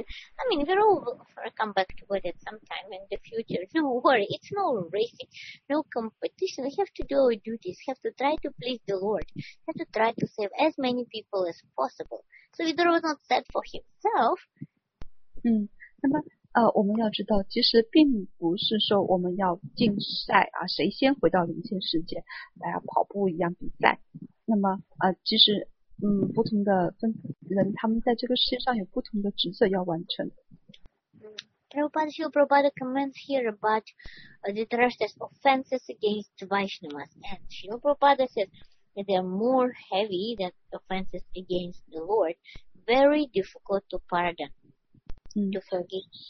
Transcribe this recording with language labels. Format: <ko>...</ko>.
<en>I mean, we're all going to come back to Godhead sometime in the future. No worry, it's no racing, no competition. We have to do our duties, we have to try to please the Lord, we have to try to save as many people as possible. So Vidura was not sad for himself.</en> <zh>那么我们要知道，其实并不是说我们要竞赛啊，谁先回到临线时间来跑步一样比赛。那么其实不同的分人他们在这个世界上有不同的职责要完成。</zh> <en>Prabhupada Shiva Prabhupada comments here about Dhritarashtra's offenses against Vaishnavas. And Shiva Prabhupada says that they are more heavy than offenses against the Lord, very difficult to pardon, to forgive.</en>